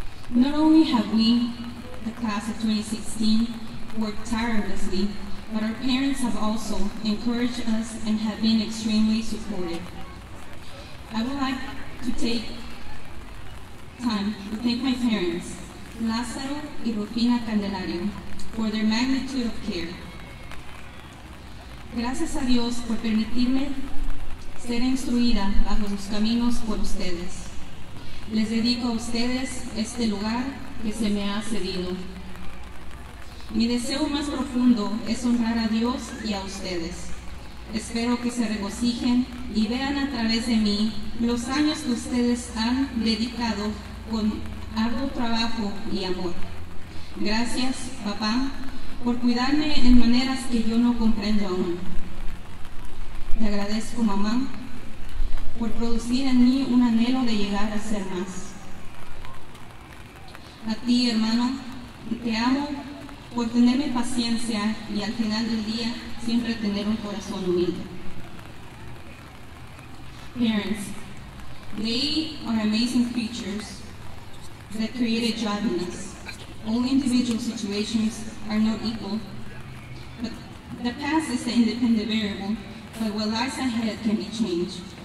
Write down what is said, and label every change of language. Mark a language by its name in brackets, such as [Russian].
[English] Not only have we, the class of 2016, worked tirelessly, but our parents have also encouraged us and have been extremely supportive. I would like to take time to thank my parents, Lázaro y Rufina Candelario, for their magnitude of care. [Spanish] Gracias a Dios por permitirme ser instruida bajo sus caminos por ustedes. Les dedico a ustedes este lugar que se me ha cedido. Mi deseo más profundo es honrar a Dios y a ustedes. Espero que se regocijen y vean a través de mí los años que ustedes han dedicado con arduo trabajo y amor. Gracias, papá, por cuidarme en maneras que yo no comprendo aún. Te agradezco, mamá, por producir en mí un anhelo de llegar a ser más. A ti, hermano, te amo por tenerme paciencia y al final del día siempre tener un corazón humilde. [English] Parents, they are amazing creatures that created God in us. All individual situations are not equal, but the past is the independent variable, but what lies ahead can be changed.